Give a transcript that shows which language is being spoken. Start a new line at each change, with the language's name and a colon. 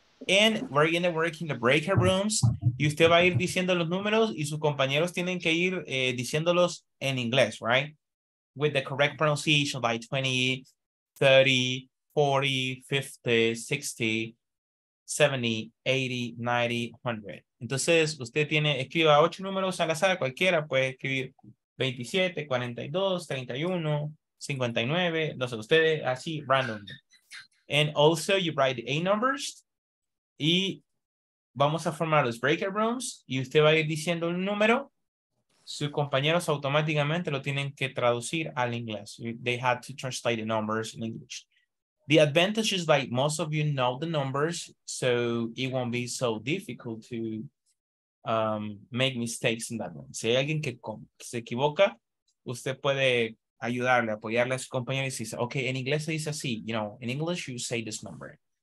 English: And we're going to work in the breakout rooms.
Spanish: Y usted va a ir diciendo los números y sus compañeros tienen que ir diciéndolos en inglés, right?
English: With the correct pronunciation, like 20, 30, 40, 50, 60, 70, 80, 90, 100.
Spanish: Entonces, usted tiene, escriba ocho números al azar, cualquiera puede escribir 27, 42, 31, 59, no sé, ustedes así, random.
English: And also, you write eight numbers.
Spanish: Y vamos a formar los breakout rooms y usted va a ir diciendo un número. Sus compañeros automáticamente lo tienen que traducir al inglés.
English: They had to translate the numbers in English. The advantage is like most of you know the numbers, so it won't be so difficult to make mistakes in that one.
Spanish: Si hay alguien que se equivoca, usted puede ayudarle, apoyarle a su compañero y decir, okay, en inglés se dice así.
English: You know, in English you say this number.